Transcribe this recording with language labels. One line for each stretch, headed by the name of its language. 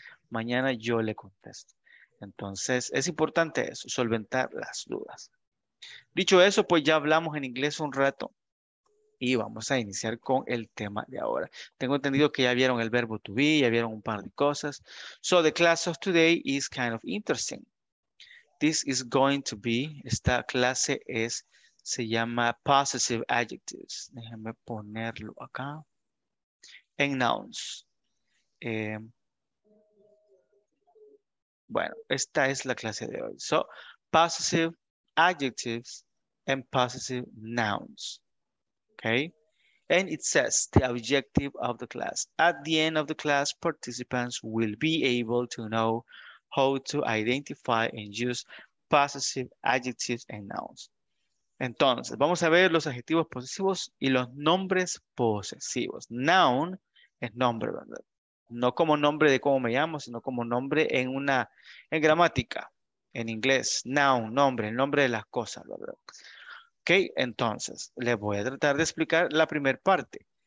Spanish: Mañana yo le contesto. Entonces, es importante eso, solventar las dudas. Dicho eso, pues ya hablamos en inglés un rato y vamos a iniciar con el tema de ahora. Tengo entendido que ya vieron el verbo to be, ya vieron un par de cosas.
English: So, the class of today is kind of interesting. This is going to be,
Spanish: esta clase es, se llama
English: possessive adjectives.
Spanish: Déjenme ponerlo acá. En nouns. Bueno, esta es la clase de hoy.
English: So, possessive adjectives and possessive nouns. Okay? And it says the objective of the class. At the end of the class, participants will be able to know how to identify and use possessive adjectives and nouns.
Spanish: Entonces, vamos a ver los adjetivos posesivos y los nombres posesivos. Noun es nombre, ¿verdad? No como nombre de cómo me llamo, sino como nombre en gramática, en inglés. Noun, nombre, el nombre de las cosas, ¿verdad? Ok, entonces, les voy a tratar de explicar la primera parte.